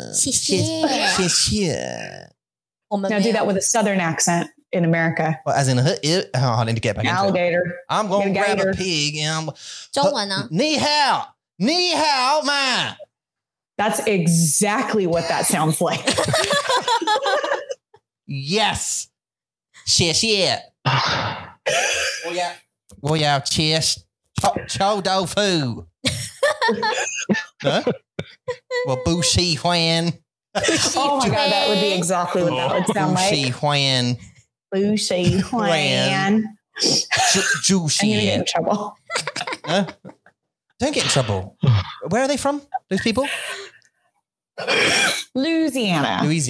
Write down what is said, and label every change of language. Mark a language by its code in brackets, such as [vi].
[zh] 你在考他哦。谢谢。谢谢。谢谢。谢谢。 [en] Now do that with a southern accent in America. Well, as in a... Oh, I need to get back into it. Alligator. I'm going to grab a pig. And I'm, [zh] 中文呢? 你好。你好吗? [en] That's exactly what that sounds like. Yes. 谢谢。Oh, yeah. [zh] 我要吃臭豆腐 我不喜欢 [en] Oh my god, that would be exactly what that would sound like. [zh] 不喜欢 [en] juicy. I'm gonna get in trouble. Don't get in trouble. Where are they from, those people? Louisiana.